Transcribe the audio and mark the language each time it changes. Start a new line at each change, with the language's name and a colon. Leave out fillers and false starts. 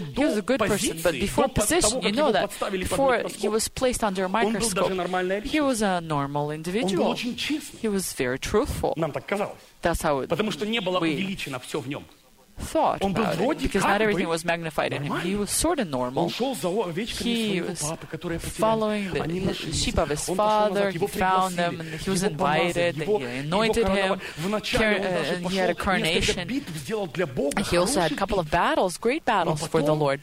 English: he was a good person, but before position,
Russian: того,
English: you know that, before he was placed under a microscope, he was a normal individual.
Russian: Он был очень честный.
English: He was very truthful.
Russian: Нам так казалось.
English: That's how it,
Russian: потому что не было увеличено все в нем.
English: Thought about it, because not everything was magnified in him. He was sort of normal. He was following the sheep of his father. He found them, and he was invited, and he anointed him, and he had a coronation. And he also had a couple of battles, great battles for the Lord.